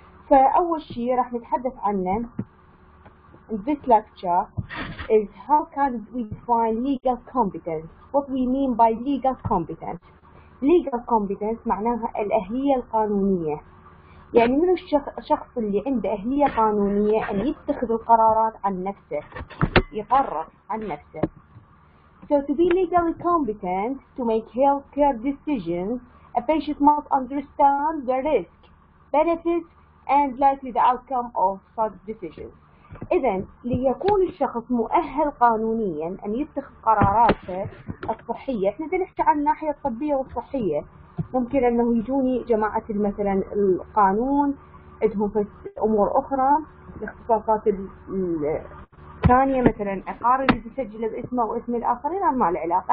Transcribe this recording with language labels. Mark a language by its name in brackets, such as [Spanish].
[Arabic] فأول شيء راح نتحدث عنه [English] in this lecture is how can we define legal competence. What we mean by legal competence. Legal competence [Arabic] معناها الأهلية القانونية، يعني من الشخص اللي عنده أهلية قانونية أن يتخذ القرارات عن نفسه، يقرر عن نفسه. [English] So to be legally competent to make healthcare decisions, a patient must understand the risk, benefits, and likely the outcome of such decisions. [Arabic] إذن ليكون الشخص مؤهل قانونياً أن يتخذ قراراته الصحية، إحنا نحكي عن الناحية الطبية والصحية. ممكن انه يجوني جماعة مثلا القانون عندهم امور اخرى، الاختصاصات الثانية مثلا عقار اللي تسجل باسمه واسم الاخرين، ما له علاقة.